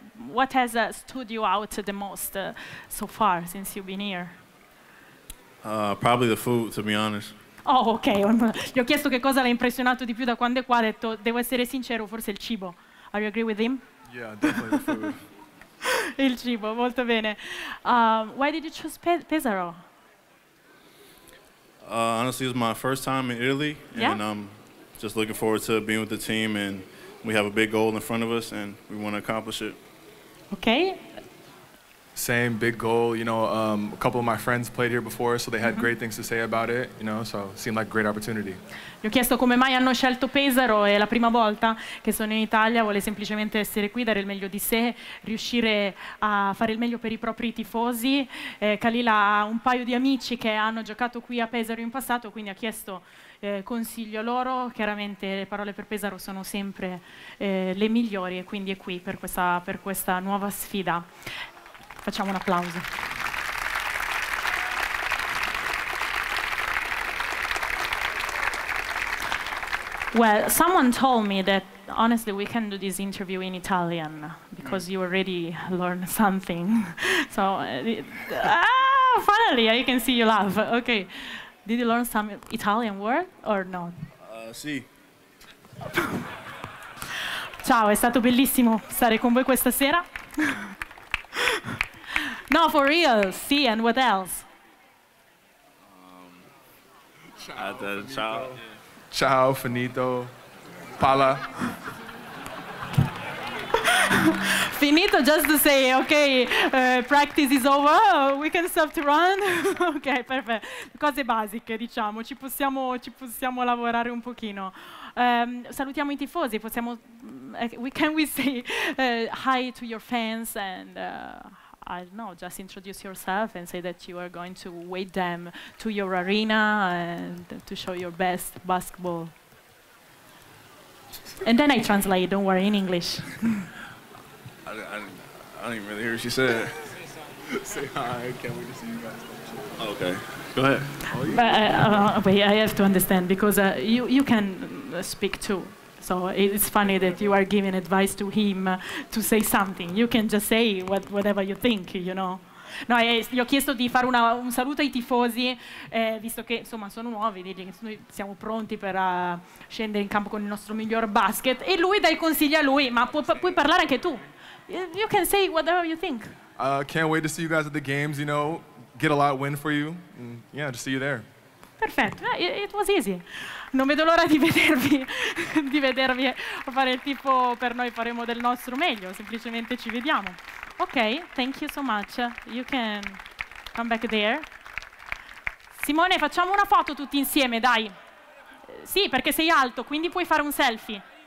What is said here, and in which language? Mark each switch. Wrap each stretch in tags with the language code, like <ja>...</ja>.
<en>What has stood you out the most so far since you've been here? Probably the food, to be honest. Oh, ok.</en> <it>Gli ho chiesto che cosa l'ha impressionato di più da quando è qua. Ha detto, devo essere sincero, forse il cibo.</it> <en>Are you agree with him? Yeah, definitely the food.</en> <it>Il cibo, molto bene.</it> <en>Why did you choose Pesaro? Honestly, it's my first time in Italy. Yeah? And I'm just looking forward to being with the team. And we have a big goal in front of us and we want to accomplish it. Okay. Same big goal, you know, a couple of my friends played here before, so they had great things to say about it, you know, so seemed like a great opportunity.</en> <it>Gli ho chiesto come mai hanno scelto Pesaro, è la prima volta che sono in Italia, vuole semplicemente essere qui, dare il meglio di sé, riuscire a fare il meglio per i propri tifosi. Khalila ha un paio di amici che hanno giocato qui a Pesaro in passato, quindi ha chiesto consiglio loro. Chiaramente le parole per Pesaro sono sempre le migliori e quindi è qui per questa nuova sfida. Facciamo un applauso.</it> <en>Well, someone told me that honestly we can do this interview in Italian because you already learned something. So, finally, I can see you laugh. Okay. Did you learn some Italian word or no?</en> <it>Sì. Ciao, è stato bellissimo stare con voi questa sera.</it> <en>No, for real.</en> <it>Sì,</it> <en>and what else?</en> <it>Ciao. Ciao, finito. Pala.</it> <en>finito, just to say, okay, practice is over, we can start to run. Ok, perfetto.</en> <it>Cose basiche, diciamo, ci possiamo lavorare un pochino. Salutiamo i tifosi, possiamo,</it> <en>can we say hi to your fans and I don't know, just introduce yourself and say that you are going to wait them to your arena and to show your best basketball. And then I translate, don't worry, in English. I don't even really hear what she said. Say hi, can we just see you guys? Okay, go ahead. But, wait, I have to understand, because you can speak too. So it's funny that you are giving advice to him to say something. You can just say whatever you think, you know.</en> <it>No, gli ho chiesto di fare un saluto ai tifosi, visto che insomma sono nuovi, dice che noi siamo pronti per scendere in campo con il nostro miglior basket. E lui dà i consigli a lui, ma puoi parlare anche tu.</it> <en>You can say whatever you think. Can't wait to see you guys at the games, you know. Get a lot of win for you. And, yeah, to see you there. Perfetto, it was easy.</en> <it>Non vedo l'ora di vedervi fare il tifo per noi, faremo del nostro meglio, semplicemente ci vediamo.</it> <en>Ok, thank you so much. You can come back there.</en> <it>Simone, facciamo una foto tutti insieme, dai. Sì, perché sei alto, quindi puoi fare un selfie.</it>